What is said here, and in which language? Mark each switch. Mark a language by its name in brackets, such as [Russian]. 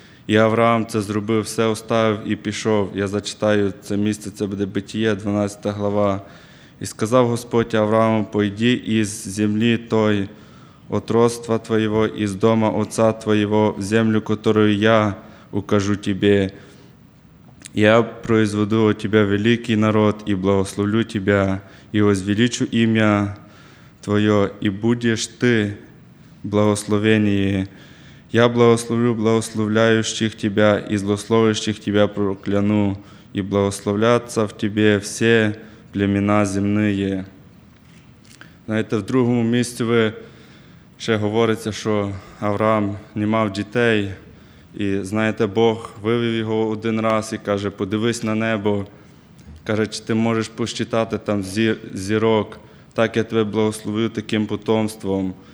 [Ukrainian] І Авраам це зробив, все оставив і пішов. Я зачитаю це місце, це буде Битіє, 12 глава. [Russian] І сказав Господь Аврааму, пойди із землі той, от родства твоєго, із дома отця твоєго, в землю, которую я укажу тебе. Я произведу у тебя великий народ и благословлю тебя, и возвеличу имя твое, и будешь ты благословение. Я благословлю благословляющих тебя, и злословящих тебя прокляну, и благословлятся в тебе все племена земные. [Ukrainian] Знаете, в другому місці ви ще говориться, що Авраам не мав дітей, і, знаєте, Бог вивів його один раз і каже, подивись на небо, каже, чи ти можеш посчитати там зірок, так я тебе благословлю таким потомством.